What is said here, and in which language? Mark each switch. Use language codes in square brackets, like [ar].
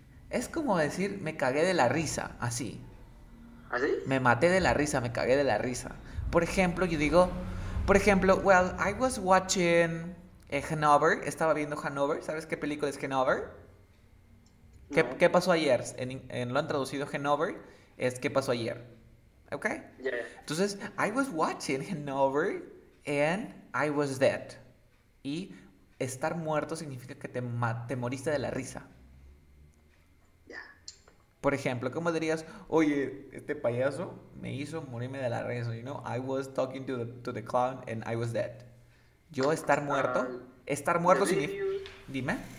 [es] Es como decir, me cagué de la risa, así. Me maté de la risa, me cagué de la risa. Por ejemplo, yo digo, por ejemplo, [en] well, I was watching Hanover, [es] estaba viendo Hanover, ¿sabes qué película es Hanover? ¿Qué No. pasó ayer? Lo han traducido Hanover, es ¿qué pasó ayer? ¿Ok? Entonces, [en] I was watching Hanover and I was dead. [es] Y estar muerto significa que te moriste de la risa. Por ejemplo, ¿cómo dirías, oye, este payaso me hizo morirme de la risa? [en] You know, I was talking to the clown and I was dead. [es] Yo estar muerto significa. Dime.